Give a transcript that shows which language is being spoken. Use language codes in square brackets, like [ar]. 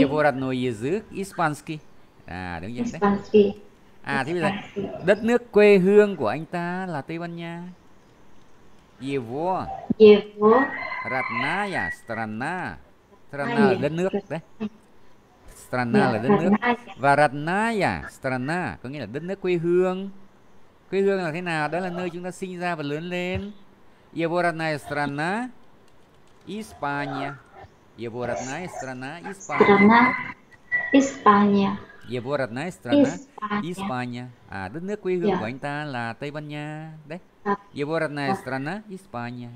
[ru] Его родной язык испанский. [vi] À đúng vậy. [ru] Испанский. [vi] À thế bây giờ đất nước quê hương của anh ta là Tây Ban Nha. [ru] Его. Его. Родная страна. [vi] Страна là đất nước đấy. Страна là đất nước. Và родная страна có nghĩa là đất nước quê hương. Quê hương là thế nào? Đó là nơi chúng ta sinh ra và lớn lên. [ru] Его родная страна Испания. Его родная страна Испания. Испания. Его родная страна Испания. [vi] А đất nước quê hương của anh ta là Tây Ban Nha. Đấy. [ru] Его родная страна Испания.